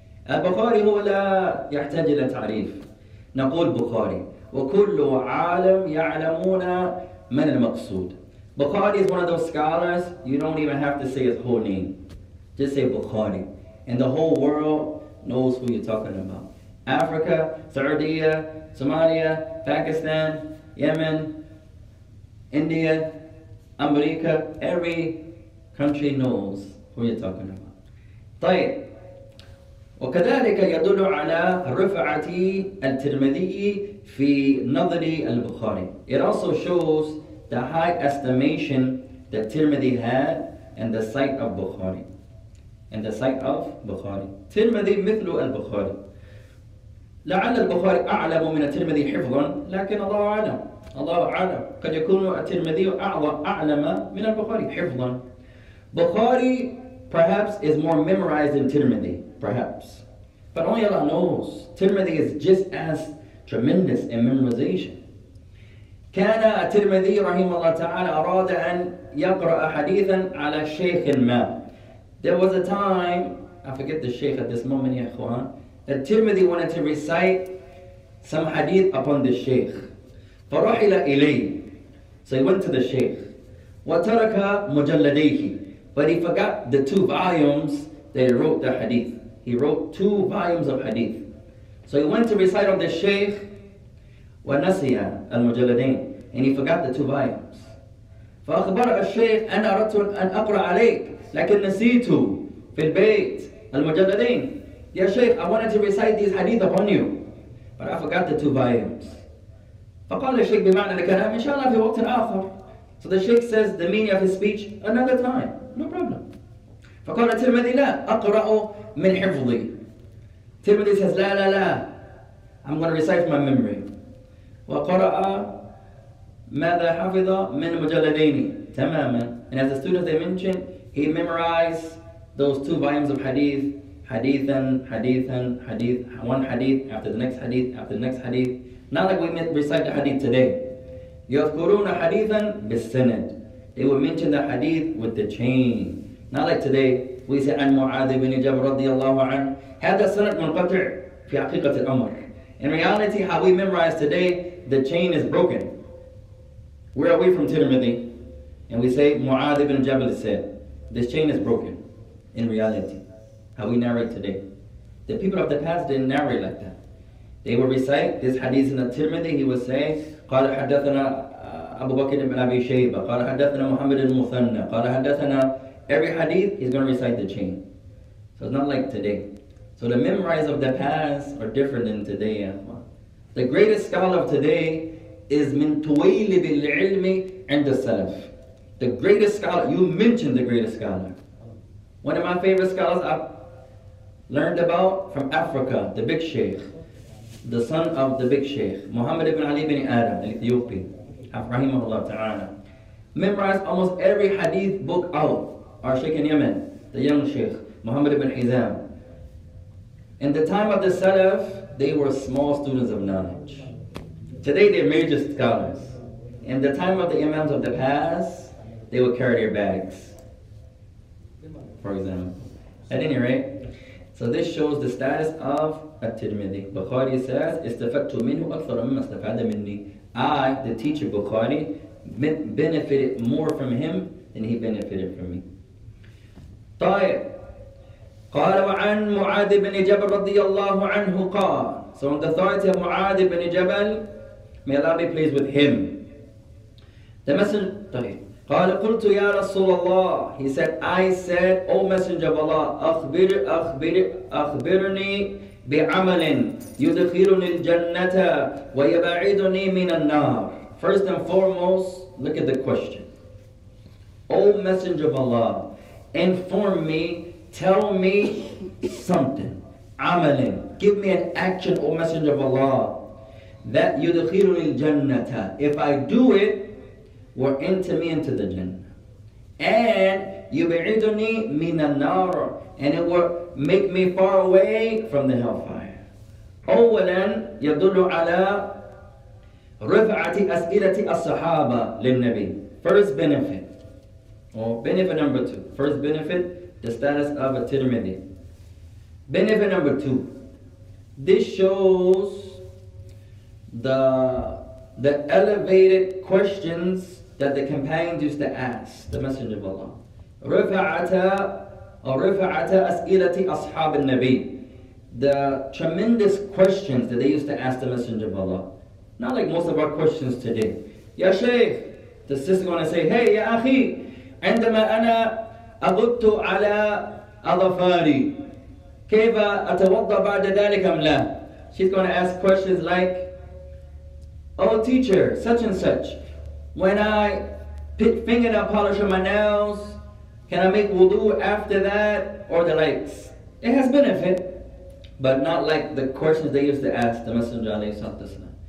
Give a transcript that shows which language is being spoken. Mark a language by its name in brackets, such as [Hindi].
[Arabic] البخاري هو لا يحتاج إلى تعريف نقول بخاري وكل عالم يعلمون من المقصود بخاري [English] is one of those scholars you don't even have to say his whole name just say بخاري and the whole world knows who you're talking about Africa, سعودية, Somalia, Pakistan, يمن, India, أمريكا, every country knows who you're talking about. [Arabic] طيب وكذلك يدل على رفعة الترمذي في نظر البخاري. [English] It also shows the high estimation that Tirmidhi had in the sight of Bukhari. In the sight of Bukhari. [Arabic] Tirmidhi مثل البخاري. لعل البخاري أعلم من الترمذي حفظا لكن الله أعلم. الله أعلم. قد يكون الترمذي أعلم من البخاري حفظا. [English] Bukhari perhaps is more memorized than Tirmidhi, perhaps. But only Allah knows. Tirmidhi is just as tremendous in memorization. [Arabic] كان الترمذي رحمه الله تعالى أراد أن يقرأ حديثا على شيخ ما. [English] There was a time, I forget the sheikh at this moment, [Arabic] يا إخوان, [English] that Tirmidhi wanted to recite some hadith upon the sheikh. [Arabic] فرحل إليه. [English] So he went to the sheikh. [Arabic] وترك مجلديه. [English] But he forgot the two volumes that he wrote the hadith. He wrote two volumes of hadith. So he went to recite on the sheikh [Arabic] وَنَسِيَ الْمُجَلَدَيْنِ [English] And he forgot the two volumes. [Arabic] فَأَخْبَرَ الشَّيْخ أَنَا أَرَدْتُ أَنْ أَقْرَأَ عَلَيْكَ لَكِنْ نَسِيتُ فِي الْبَيْتِ الْمُجَلَدَيْنِ [English] Ya sheikh, I wanted to recite these hadith upon you. But I forgot the two volumes. [Arabic] فَقَالَ الشَّيْخ بِمَعْنَا لَكَلَامِ إِنْ شَاءَ اللَّهِ فِي وَقْتٍ آخر. [English] So the sheikh says the meaning of his speech another time. No problem. [Arabic] فقال الترمذي لا أقرأ من حفظي. الترمذي says لا لا لا. [English] I'm going to recite from my memory. [Arabic] وقرأ ماذا حفظ من مجلدين تماما. [English] And as the students they mentioned, he memorized those two volumes of hadith Hadeeth, one hadith after the next hadith, after the next hadith. Not like we recite the hadith today. [Arabic] يَذْكُرُونَ حَدِيثًا بِالسَّنَدِ. [English] They will mention the hadith with the chain. Not like today, we say, [Arabic] عَنْ مُعَاذِ بِنِ جَبْرِ رَضِيَ اللَّهُ عَنْهُ. هَذَا السَّنَدْ مُنْقَطِعْ فِي حَقِيقَةِ الْأَمْرِ. [English] In reality, how we memorize today, the chain is broken. Where are we from Tirmidhi? And we say, مُعَاذِ بِنِ جَبْرِ said, this chain is broken. In reality, how we narrate today. The people of the past didn't narrate like that. They will recite this hadith in the Tirmidhi, he will say, [Arabic] قال حدثنا أبو بكر بن أبي شيبة قال حدثنا محمد المثنى قال حدثنا. [English] Every hadith, he's going to recite the chain. So it's not like today. So the memories of the past are different than today. The greatest scholar of today is [Arabic] من طويل بالعلم عند السلف. [English] The greatest scholar, you mentioned the greatest scholar. One of my favorite scholars I learned about from Africa, the big sheikh. The son of the big sheikh, Muhammad ibn Ali ibn Adam, the Ethiopian, rahimahullah ta'ala, memorized almost every hadith book out. Our sheikh in Yemen, the young sheikh, Muhammad ibn Hizam. In the time of the Salaf, they were small students of knowledge. Today, they're major scholars. In the time of the Imams of the past, they would carry their bags, for example. At any rate, so this shows the status of At-Tirmidhi. [Arabic] Bukhari says, استفدت منه أكثر مما استفاد مني. [English] I, the teacher Bukhari, benefited more from him than he benefited from me. [Arabic] طيب. قال وعن معاذ بن جبل رضي الله عنه قال. [English] So on the authority of معاذ بن جبل, may Allah be pleased with him. The messenger, طيب. [Arabic] قال قلت يا رسول الله. [English] He said, I said, O Messenger of Allah, [Arabic] أخبرني بعمل يدخلني الجنة ويبعدني من النار. [English] First and foremost, look at the question. O Messenger of Allah, inform me, tell me something. [Arabic] عمل. [English] Give me an action, O Messenger of Allah, that [Arabic] يدخلني الجنة. [English] If I do it, will enter me into the Jannah. [Arabic] And يبعدني من النار. [English] And it will make me far away from the hellfire. [Arabic] أولا يدل على رفعة أسئلة الصحابة للنبي. [English] First benefit. Or benefit number two. First benefit, the status of a Tirmidhi. Benefit number two. This shows the elevated questions that the companions used to ask the Messenger of Allah. [Arabic] رفعت أسئلة أصحاب النبي. [English] The tremendous questions that they used to ask the Messenger of Allah. Not like most of our questions today. [Arabic] يا شيخ, [English] the sister gonna say, hey, [Arabic] يا أخي, عندما أنا أبت على أظفاري, كيف أتوضأ بعد ذلك أم لا? [English] She's gonna ask questions like, oh teacher, such and such, when I pick fingernail polish on my nails, can I make wudu after that or the likes? It has benefit, but not like the questions they used to ask the Messenger alayhi salatu wasalam.